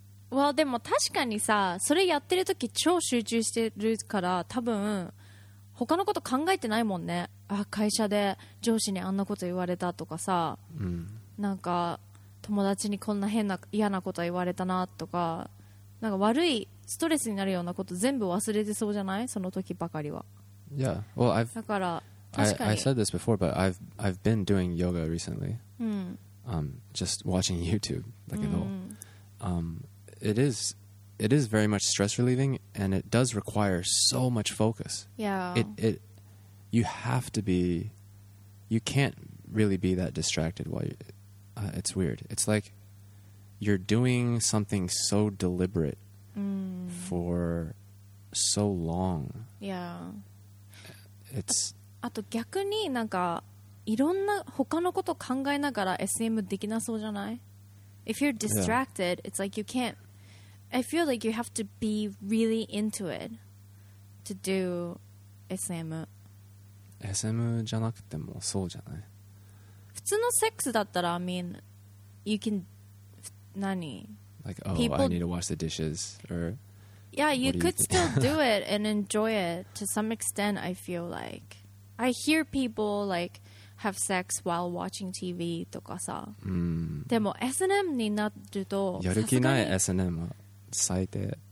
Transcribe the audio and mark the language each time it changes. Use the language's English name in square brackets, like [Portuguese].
[Japanese] Well, でも確かにさ、それやってる時超集中してるから、多分他のこと考えてないもんね。あ、会社で上司にあんなこと言われたとかさ。なんか友達にこんな変な嫌なこと言われたなとか、なんか悪いストレスになるようなこと全部忘れてそうじゃない？その時ばかりは。 [English] Yeah, well, [Japanese] だから [English] I said this before, but I've been doing yoga recently. Just watching YouTube, like it all. It is very much stress relieving, and it does require so much focus. Yeah. You have to be, you can't really be that distracted while you, it's weird. It's like you're doing something so deliberate for so long. Yeah. It's. [Japanese] あと逆になんかいろんな他のこと考えながら SM できなそうじゃない? [English] If you're distracted, yeah. It's like you can't, I feel like you have to be really into it to do SM. [Japanese] SM じゃなくてもそうじゃない普通のセックスだったら [English] I mean you can [Japanese] 何 [English] like oh people, I need to wash the dishes or yeah you could you still do it and enjoy it to some extent I feel like I hear people like have sex while watching TV [Japanese] とかさ、でも SM になるとやる気ない SM は最低